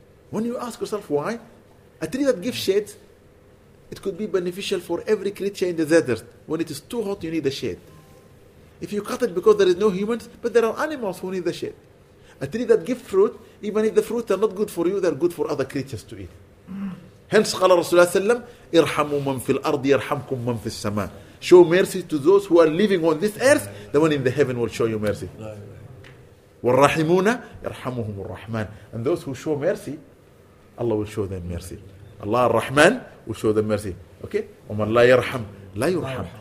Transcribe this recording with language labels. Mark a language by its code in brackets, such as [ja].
[en] When you ask yourself why, a tree that gives shade, it could be beneficial for every creature in the desert. When it is too hot, you need a shade. If you cut it because there is no humans, but there are animals who need the shade. A tree that gives fruit, even if the fruits are not good for you, they're good for other creatures to eat. Hence, [ar] قال رسول الله صلى الله عليه وسلم, ارحموا من في الأرض يرحمكم من في السماء. [en] Show mercy to those who are living on this earth, the one in the heaven will show you mercy. [ar] والرحمون يرحمهم الرحمن. [en] And those who show mercy, Allah will show them mercy. Allah الرحمن will show them mercy. Okay? [ar] ومن لا يرحم لا يرحم.